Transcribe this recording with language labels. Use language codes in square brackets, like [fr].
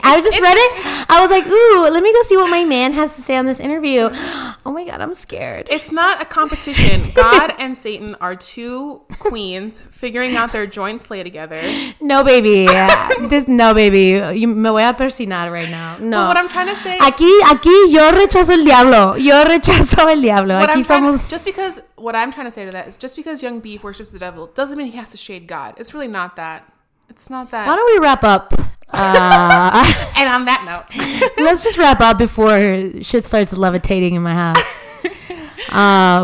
[en] I just read it. I was like, ooh, let me go see what my man has to say on this interview. Oh my god, I'm scared. It's not a competition. God and Satan are two queens figuring out their joint slay together. No, baby. You [es] me voy a persinar [en] right now. No. But what I'm trying to say. [es] Aquí yo rechazo el diablo. Aquí somos. [en] What I'm trying to say to that is, just because Young Beef worships the devil doesn't mean he has to shade God. It's really not that. It's not that. Why don't we wrap up? And on that note, let's just wrap up before shit starts levitating in my house.